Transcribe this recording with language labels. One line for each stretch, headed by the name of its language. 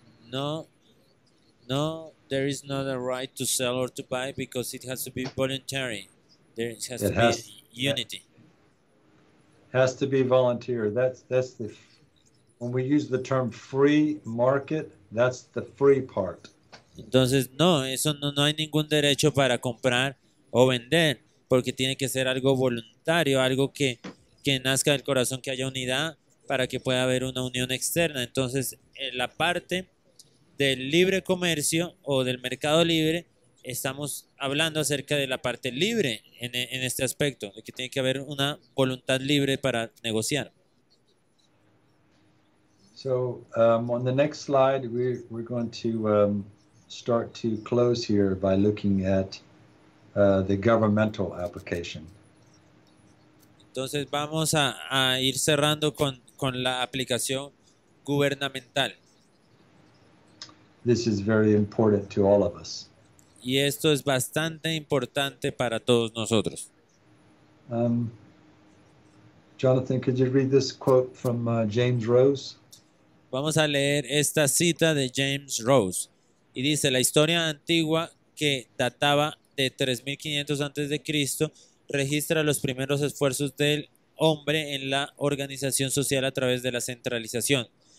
English: No, there is not a right to sell or to buy because it has to be voluntary. There has to be unity. Has to be volunteer. That's the, when we use the term free market, that's the free part.
Spanish: Entonces, no, eso no, no hay ningún derecho para comprar o vender, porque tiene que ser algo voluntario, algo que nazca del corazón, que haya unidad para que pueda haber una unión externa. Entonces, la parte del libre comercio o del mercado libre, estamos hablando acerca de la parte libre en este aspecto, de que tiene que haber una voluntad libre para negociar.
English: So, on the next slide, we're going to start to close here by looking at the governmental application.
Spanish: Entonces vamos a ir cerrando con la aplicación gubernamental.
English: This is very important to all of us.
Spanish: Y esto es bastante importante para todos nosotros.
English: Jonathan, could you read this quote from James Rose?
Spanish: Vamos a leer esta cita de James Rose. Y dice, la historia antigua que databa de 3500 a.C. registra los primeros esfuerzos del hombre en la organización social a través de la centralización.